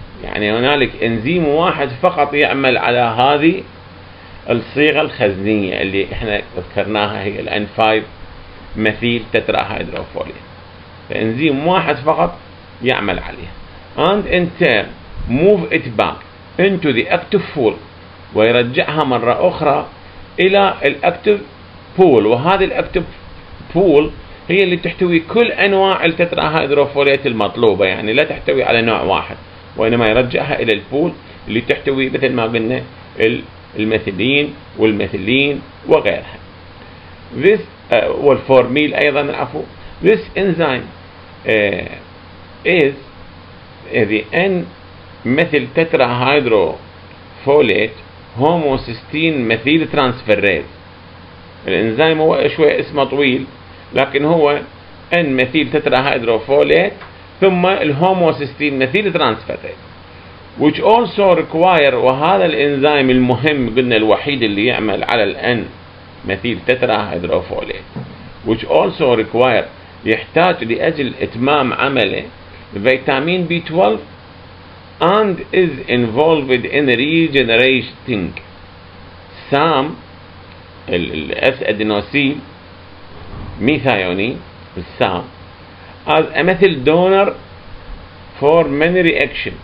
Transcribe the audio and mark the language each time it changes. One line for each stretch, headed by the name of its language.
Arabic: يعني هنالك إنزيم واحد فقط يعمل على هذه الصيغة الخزنية اللي إحنا ذكرناها هي الـ N5 مثيل تترا هيدروفوليت. إنزيم واحد فقط يعمل عليها.
English: And in turn move it back into the active pool.
Arabic: ويرجعها مرة أخرى إلى الـ active pool. وهذه الـ active pool هي اللي تحتوي كل انواع التترا هيدروفوليت المطلوبه، يعني لا تحتوي على نوع واحد، وانما يرجعها الى البول اللي تحتوي مثل ما قلنا الميثيلين والميثيلين وغيرها. This والفورميل ايضا عفوا.
English: This enzyme is the N methyl tetrahydrofolate homocysteine methyltransferase.
Arabic: الانزيم هو شوي اسمه طويل، لكن هو N مثيل تترا هيدروفوليت ثم الهوموسيستين مثيل ترانسفيريز،
English: which also require.
Arabic: وهذا الإنزيم المهم قلنا الوحيد اللي يعمل على ال N مثيل تترا هيدروفوليت،
English: which also require
Arabic: يحتاج لأجل إتمام عمله فيتامين B12
English: and is involved in regenerating SAM
Arabic: الS adenosine ميثايوني السام
English: as a methyl donor for many reaction.